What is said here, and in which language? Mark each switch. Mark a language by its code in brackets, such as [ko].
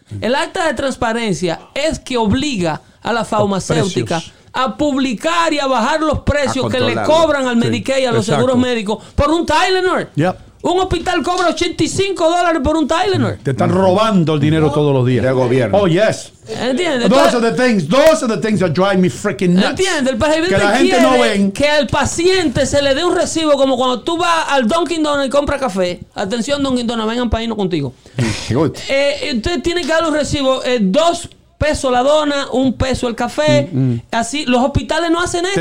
[es] El acta de transparencia es que obliga a la farmacéutica a publicar y a bajar los precios que le cobran al Medicaid, a los seguros médicos, por un Tylenol. [en] Yep. [es] Un hospital cobra $85 por un Tylenol. Te están robando el dinero todos los días. Del gobierno. [en] Oh, yes. [es] ¿Entiendes? [en] Those are the things that drive me freaking nuts. [es] ¿Entiendes? El presidente que la gente quiere no ven. Que al paciente se le dé un recibo como cuando tú vas al Dunkin' Donuts y compras café. Atención, Dunkin' Donuts, vengan para irnos contigo. Usted tiene que dar un recibo, $2 la dona, $1 el café. Así, los hospitales no hacen esto.